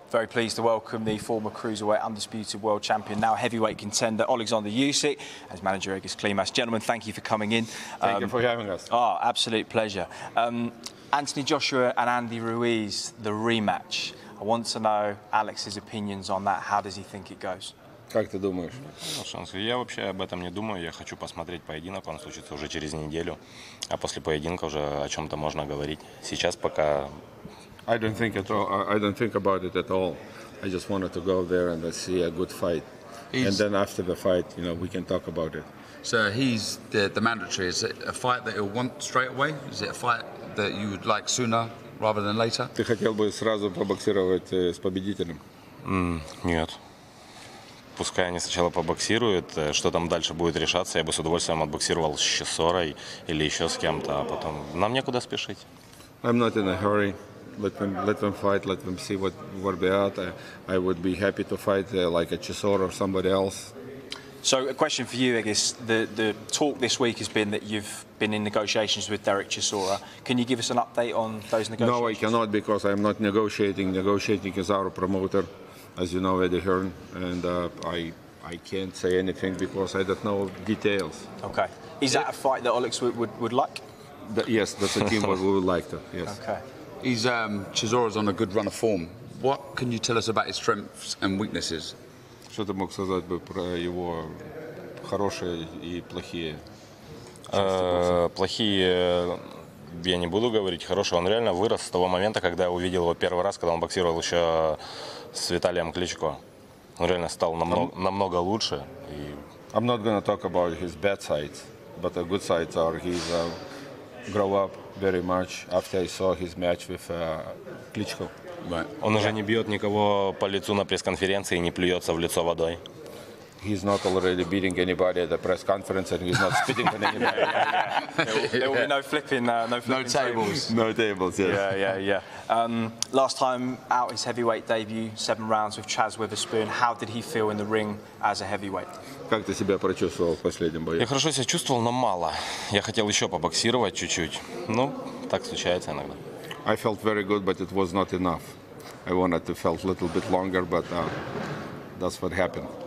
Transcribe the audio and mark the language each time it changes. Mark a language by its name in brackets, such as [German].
[English] Pleased to welcome the former cruiserweight undisputed world champion, now heavyweight contender, Oleksandr Usyk, as manager Egas Klimas. Gentlemen, thank you for coming in. Thank you for having us. Oh, absolute pleasure. Anthony Joshua and Andy Ruiz, the rematch. I want to know Alex's opinions on that. How does he think it goes? [Russian] Как ты думаешь? Ну, шанс. Я вообще об этом не думаю. Я хочу посмотреть поединок. Он случится уже через неделю. А после поединка уже о чем-то можно говорить. Сейчас пока... [English] I don't think at all. I don't think about it at all. I just wanted to go there and see a good fight. And then after the fight, you know, we can talk about it. So he's the mandatory. Is it a fight that he'll want straight away? Is it a fight that you would like sooner rather than later? [Russian] Ты хотел бы сразу побоксировать с победителем? Нет. Пускай они сначала побоксируют, что там дальше будет решаться, я бы с удовольствием отбоксировал с Чесорой или еще с кем-то, а потом нам некуда спешить. [English] I'm not in a hurry. Let them fight, let them see what where they are. I would be happy to fight like a Chisora or somebody else. So a question for you, I guess. The talk this week has been that you've been in negotiations with Derek Chisora. Can you give us an update on those negotiations? No, I cannot because I'm not negotiating. Negotiating is our promoter, as you know, Eddie Hearn, and I can't say anything because I don't know details. Okay. Is that a fight that Olex would like? Yes, that's a team we would like to, yes. Okay. He's Chisora's on a good run of form. What can you tell us about his strengths and weaknesses? [Russian] Что ты мог сказать бы про его хорошие и плохие? Плохие я не буду говорить, хорошие. Он реально вырос с того момента, когда я увидел его первый раз, когда он боксировал еще с Виталием Кличко. Он реально стал намного лучше. [English] I'm not going to talk about his bad sides, but the good sides are he's grow up very much after I saw his match with Klitschko. Right. [Russian] Он уже не бьет никого по лицу на пресс-конференции и не плюется в лицо водой. [English] He's not already beating anybody at the press conference and he's not spitting on anybody. There will be no flipping tables. No tables, yes. Yeah. Last time out, his heavyweight debut, 7 rounds with Chaz Witherspoon. How did he feel in the ring as a heavyweight? [Russian] Как ты себя прочувствовал в последнем бою? Я хорошо себя чувствовал, но мало. Я хотел еще побоксировать чуть-чуть. Ну, так случается иногда. [English] I felt very good, but it was not enough. I wanted to felt a little bit longer, but that's what happened.